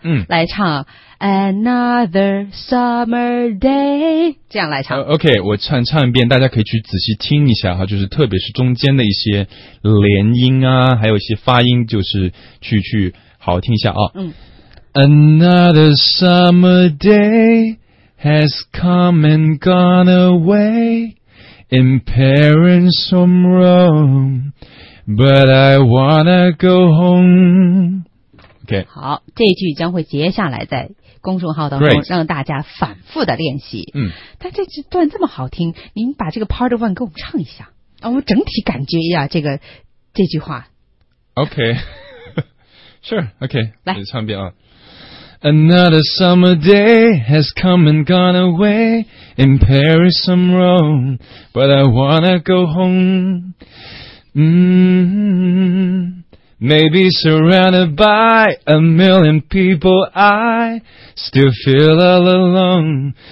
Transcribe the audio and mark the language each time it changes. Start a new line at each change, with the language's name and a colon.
Chinese: 嗯，来唱
English: Another Summer Day，
Chinese: 这样来唱。 OK， 我唱一遍，大家可以去仔细听一下哈，就是特别是中间的一些连音啊，还有一些发音，就是去好好听一下啊。嗯
English: ，Another Summer Day has come and gone away in Paris from Rome。 But I wanna go home. OK，
Chinese: 好，这一句将会接下来在公众号当中让大家反复的练习。嗯，但这段这么好听，您把这个
English: Part One
Chinese: 给我们唱一下，让我们整体感觉一下这句话。
English: OK， Sure， OK，
Chinese: 来唱一遍啊。
English: Another summer day has come and gone away in Paris and Rome, but I wanna go home. Maybe surrounded by a million people, I still feel all alone.